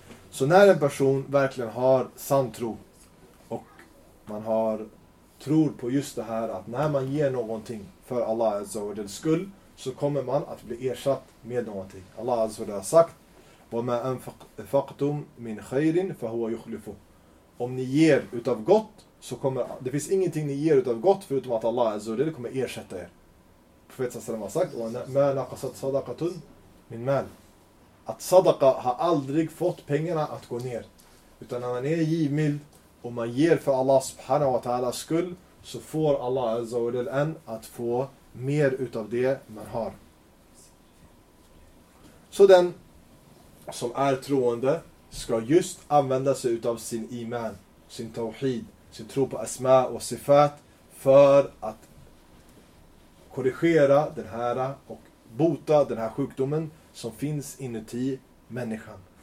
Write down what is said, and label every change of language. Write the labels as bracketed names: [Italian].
[Swedish] Så när en person verkligen har sann tro och man har tror på just det här att när man ger någonting för Allah Azza wa Jalls skull, så kommer man att bli ersatt med någonting. Allah Azza wa Jalla har sagt [Arabic] وَمَا أَنْفَقْتُمْ مِنْ خَيْرٍ فَهُوَ يُخْلِفُ. [Swedish] Om ni ger utav gott, så kommer det finns ingenting ni ger utav gott förutom att Allah Azza wa Jalla kommer ersätta er. Profeten sallam har sagt [Arabic] وَمَا نَقَصَتْ صَدَقَةٌ مِنْ مَال. [Swedish] Att sadaqa har aldrig fått pengarna att gå ner. Utan när man är givmild och man ger för Allah subhanahu wa ta'alas skull, så får Allah Azza wa Jalla en att få mer utav det man har. Så den som är troende ska just använda sig utav sin iman, sin tawhid, sin tro på asma och sifat, för att korrigera den här och bota den här sjukdomen som finns inuti människan.